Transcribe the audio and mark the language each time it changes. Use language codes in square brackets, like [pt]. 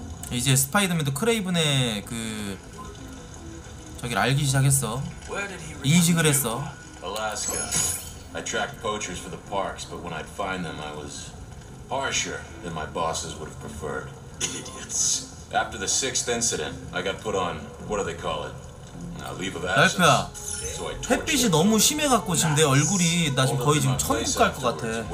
[ko] 이제 스파이더맨도 크레이븐의 그 저기를 알기 시작했어. 인식을 했어. [en] Alaska. I tracked poachers for the parks, but when I'd find them, I was harsher than my bosses would have preferred. Idiots. After the sixth incident, I got put on what do they call it? A leave of absence. [ko] 햇빛이 너무 심해 갖고 지금 내 얼굴이 나 지금 거의 지금 천국 갈 것 같아.